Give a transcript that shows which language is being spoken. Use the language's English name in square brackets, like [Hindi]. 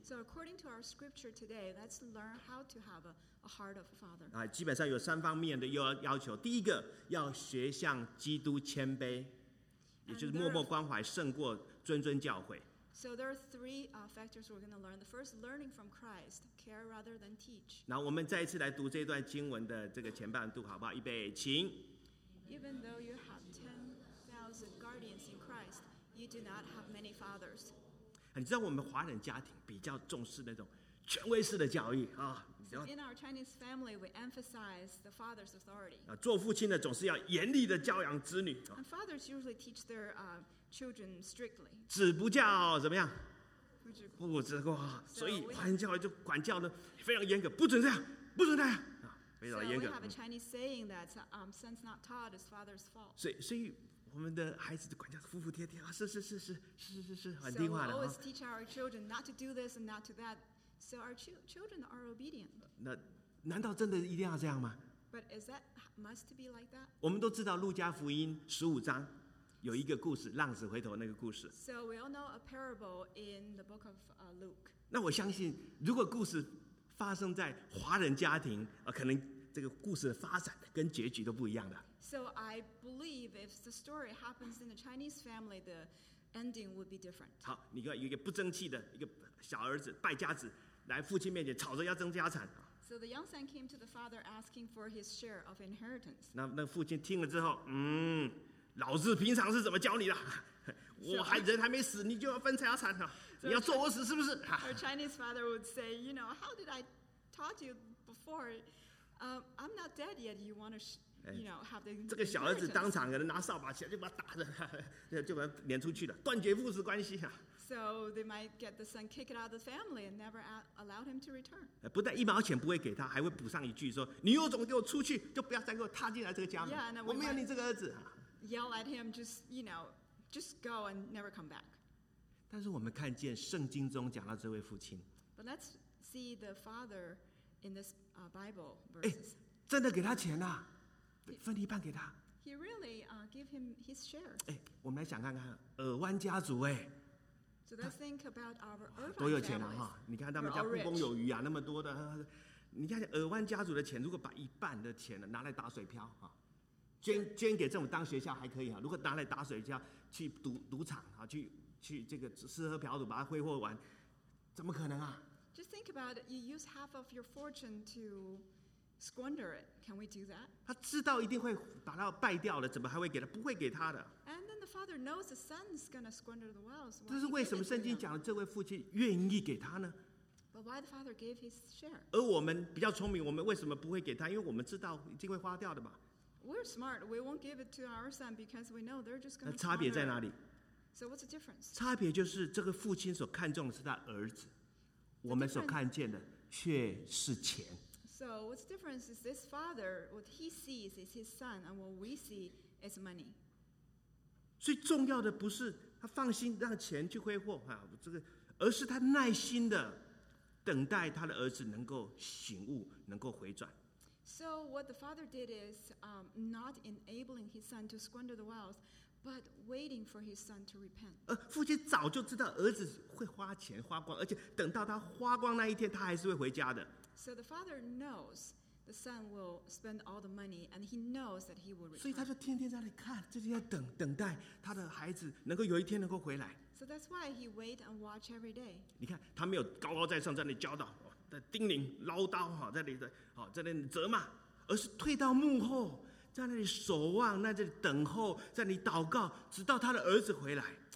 [English] So according to our scripture today, let's learn how to have a heart of a father. [Chinese] 基本上有三方面的要求。第一个，要学向基督谦卑。也就是默默关怀胜过谆谆教诲。 [English] So there are three factors we're going to learn. The first, learning from Christ, care rather than teach. [Chinese] 那我们再一次来读这段经文的这个前半段，好不好？预备，请。 [English] Even though you have 10,000 guardians in Christ, you do not have many fathers. [Chinese] 你知道我们华人家庭比较重视那种权威式的教育啊。 [English] In our Chinese family, we emphasize the father's authority. [Chinese] 做父亲的总是要严厉的教养子女。 [English] And fathers usually teach their children strictly. [Chinese] 子不教怎么样？不知过。不知过。所以华人教育就管教的非常严格，不准这样，不准那样，非常严格。 [English] So we have a Chinese saying that son's not taught is father's fault. [Chinese] 所以我们的孩子管教服服帖帖啊，是，很听话的。 [English] So we always teach our children not to do this and not to that. So our children are obedient. [Chinese] 那难道真的一定要这样吗？ [English] But is that must be like that? [Chinese] 我们都知道路加福音15章有一个故事，浪子回头那个故事。 [English] So we all know a parable in the book of Luke. [Chinese] 那我相信，如果故事发生在华人家庭，可能这个故事的发展跟结局都不一样的。 [English] So I believe if the story happens in the Chinese family, the ending would be different. [Chinese] 好，你看有一个不争气的一个。小儿子败家子来父亲面前吵着要争家产。 [English] So the young son came to the father asking for his share of inheritance. [Chinese] 那父亲听了之后，老子平常是怎么教你的？我还人还没死，你就要分财产了？你要做我死是不是？ [English] Our Chinese father would say, you know, how did I taught you before? I'm not dead yet. You want to, you know, have the [Chinese] 这个小儿子当场给他拿扫把起来就把他打着，就把他撵出去了，断绝父子关系啊。 [English] So they might get the son kicked out of the family and never allow him to return. [Chinese] 不但一毛钱不会给他，还会补上一句说：“你有种给我出去，就不要再给我踏进来这个家门。” [English] we might [Chinese] 我没有你这个儿子。 [English] Yell at him, just you know, just go and never come back. [Chinese] 但是我们看见圣经中讲到这位父亲。 [English] But let's see the father in this Bible verses. [Chinese] 真的给他钱了，分一半给他。 [English] He really gave him his share. [Chinese] 我们来想看看尔湾家族。 [English] So let's think about our Irvine family. [Chinese] 多有钱啊！你看他们家故宫有余啊，那么多的。你看尔湾家族的钱，如果把一半的钱拿来打水漂啊，捐给政府当学校还可以啊。如果拿来打水漂去赌场啊，去这个吃喝嫖赌把它挥霍完，怎么可能啊 [English] ？Just think about it. You use half of your fortune to squander it. Can we do that? [Chinese] 他知道一定会把它败掉了，怎么还会给他？不会给他的。 [English] Father knows the son's gonna squander the wealth. [Chinese] 但是为什么圣经讲的这位父亲愿意给他呢 [English] ？But why the father gave his share? [Chinese] 而我们比较聪明，我们为什么不会给他？因为我们知道一定会花掉的嘛。 [English] We're smart. We won't give it to our son because we know they're just gonna. [Chinese] 那差别在哪里 [English] ？So what's the difference? [Chinese] 差别就是这个父亲所看重的是他儿子，我们所看见的却是钱。 [English] So what's the difference is this father? What he sees is his son, and what we see is money. [Chinese] 最重要的不是他他放心让钱去挥霍、啊这个、而是他耐心的等待他的儿子能够醒悟能够回转。 [English] So what the father did is not enabling his son to squander the wealth, but waiting for his son to repent. [Chinese] 父亲早就知道儿子会花钱花光，而且等到他花光那一天，他还是会回家的。 [English] So the father knows the son will spend all the money, and he knows that he will return. [Chinese] 所以他就天天在那里看，就是要等等待他的孩子能够有一天能够回来。 [English] So that's why he wait and watch every day. [Chinese] 你看他没有高高在上在那里教导。在叮咛唠叨在那里的在那里责骂，而是退到幕后在那里守望，在那里等候，在那里祷告，直到他的儿子回来。